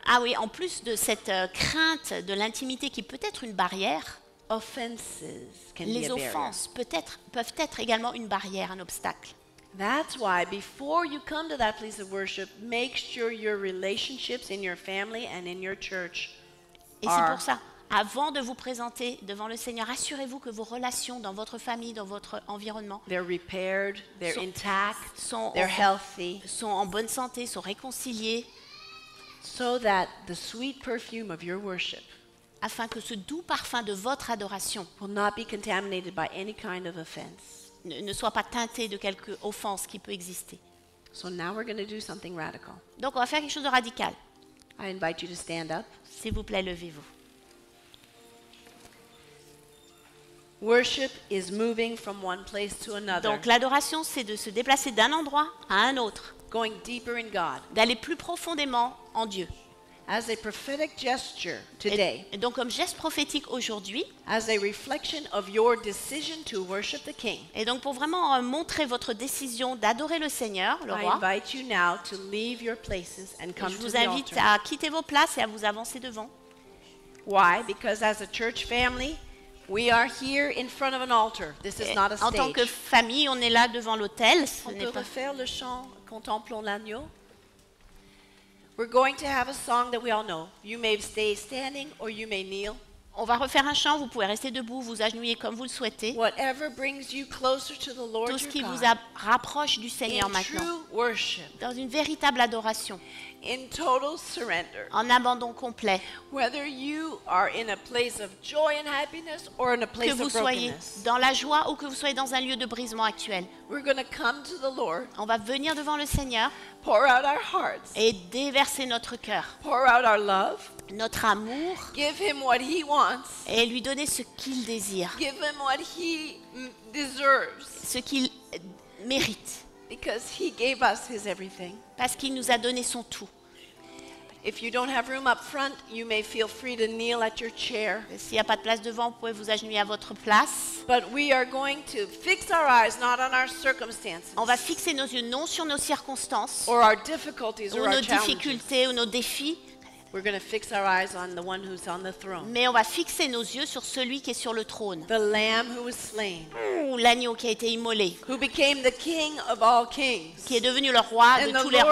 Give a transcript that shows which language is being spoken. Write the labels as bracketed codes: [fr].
[fr] Ah oui, en plus de cette crainte de l'intimité qui peut être une barrière. [en] Offenses can [fr] les [en] be [fr] offenses [en] a barrier. [fr] Peut-être peuvent être également une barrière, un obstacle. [en] That's why before you come to that place of worship, make sure your relationships in your family and in your church are. [fr] Et c'est pour ça, avant de vous présenter devant le Seigneur, assurez-vous que vos relations dans votre famille, dans votre environnement, [en] they're repaired, they're intact, they're healthy, [fr] sont en bonne santé, sont réconciliées, [en] so that the sweet perfume of your worship, [fr] afin que ce doux parfum de votre adoration, [en] will not be contaminated by any kind of offense. [fr] Ne soit pas teinté de quelque offense qui peut exister. [en] So now we're going to do something radical. [fr] Donc on va faire quelque chose de radical. [en] I invite you to stand up. [fr] S'il vous plaît, levez-vous. [en] Worship is moving from one place to another. [fr] Donc l'adoration, c'est de se déplacer d'un endroit à un autre. [en] Going deeper in God. [fr] D'aller plus profondément en Dieu. [en] As a prophetic gesture today. [fr] Et donc comme geste prophétique aujourd'hui. [en] As a reflection of your decision to worship the King. [fr] Et donc pour vraiment montrer votre décision d'adorer le Seigneur, le roi. [en] I invite you now to leave your places and come to the altar. [fr] Je vous invite à quitter vos places et à vous avancer devant. [en] Why? Because as a church family, we are here in front of an altar. This is not a stage. [fr] En tant que famille, on est là devant l'autel. On peut refaire le chant Contemplons l'agneau. [en] We're going to have a song that we all know. You may stay standing or you may kneel. [fr] On va refaire un chant, vous pouvez rester debout, vous agenouiller comme vous le souhaitez. [en] Whatever brings you closer to the Lord. [fr] Tout ce qui vous rapproche du Seigneur maintenant. [en] True worship. [fr] Dans une véritable adoration. [en] In total surrender. [fr] En abandon complet. [en] Whether you are in a place of joy and happiness or in a place of brokenness. [fr] Que vous soyez dans la joie ou que vous soyez dans un lieu de brisement actuel. [en] We're going to come to the Lord. [fr] On va venir devant le Seigneur. [en] Pour out our hearts. [fr] Et déverser notre cœur. [en] Pour out our love. [fr] Notre amour. [en] Give him what he wants. [fr] Et lui donner ce qu'il désire. [en] Give him what he deserves. [fr] Ce qu'il mérite. [en] Because he gave us his everything. [fr] Parce qu'il nous a donné son tout. [en] If you don't have room up front, you may feel free to kneel at your chair. [fr] S'il n'y a pas de place devant, vous pouvez vous agenouiller à votre place. [en] But we are going to fix our eyes not on our circumstances. [fr] On va fixer nos yeux non sur nos circonstances. [en] Or our difficulties or our challenges. [fr] Ou nos difficultés ou nos défis. [en] We're going to fix our eyes on the one who's on the throne. [fr] Mais on va fixer nos yeux sur celui qui est sur le trône. [en] The lamb who was slain. [fr] L'agneau qui a été immolé. [en] Who became the king of all kings. [fr] Qui est devenu le roi de tous les rois.